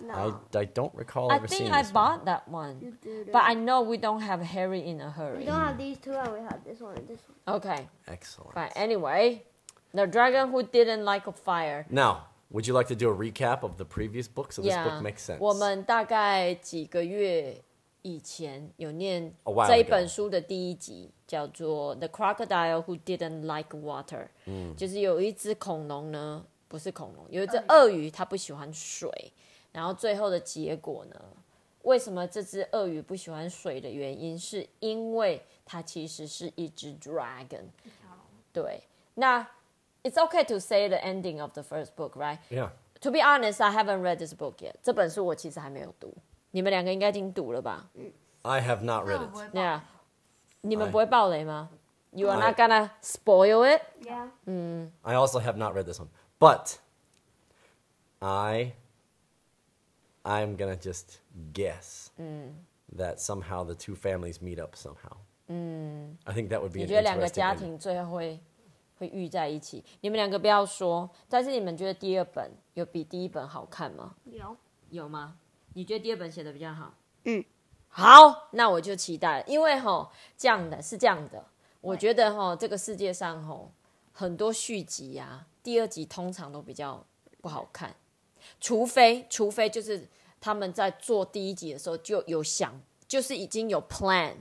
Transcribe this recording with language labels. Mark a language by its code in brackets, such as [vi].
[en] No. I don't recall I ever seeing this I think I bought one. That one. But I know we don't have Harry in a Hurry. We don't have these two, and we have this one and this one. Okay. Excellent. But anyway, The Dragon Who Didn't Like a Fire. Now, would you like to do a recap of the previous book so yeah, this book makes sense? [zh] 我们大概几个月以前有念这一本书的第一集叫做 The Crocodile Who Didn't Like Water、嗯、就是有一只恐龙呢不是恐龙有一只鳄鱼它不喜欢水然后最后的结果呢为什么这只鳄鱼不喜欢水的原因是因为它其实是一只 dragon 对那 [en] It's okay to say the ending of the first book, right? Yeah. To be honest, I haven't read this book yet [zh] 这本书我其实还没有读你们两个应该已经读了吧 [en] I have not read it. Yeah. [zh] 你们不会爆雷吗 [en] You are not gonna spoil it? Yeah.、 Mm. I also have not read this one. But I'm gonna just guess、 mm. that somehow the two families meet up somehow.、 Mm. I think that would be [zh] 你觉得两个家庭最后会遇在一起你们两个不要说但是你们觉得第二本有比第一本好看吗有有吗你觉得第二本写的比较好嗯好那我就期待了因为吼这样的是这样的我觉得吼这个世界上吼很多续集啊第二集通常都比较不好看除非就是他们在做第一集的时候就有想就是已经有 plan、